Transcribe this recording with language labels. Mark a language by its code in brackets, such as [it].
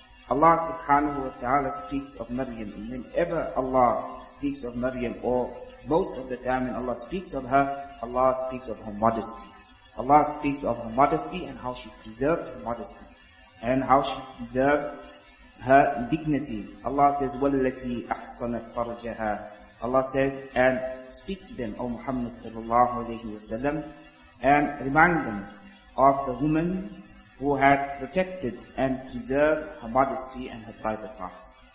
[en] Allah subhanahu wa ta'ala speaks of Maryam, and whenever Allah speaks of Maryam, or most of the time when Allah speaks of her, Allah speaks of her modesty. Allah speaks of her modesty and how she deserved her modesty and how she deserved her dignity. Allah says, [ar] وَالَّتِي أَحْصَنَتْ فَرْجَهَا. [en] Allah says, and speak to them, O Muhammad sallallahu alayhi wa sallam, and remind them of the woman who had protected and preserved her modesty and her private parts.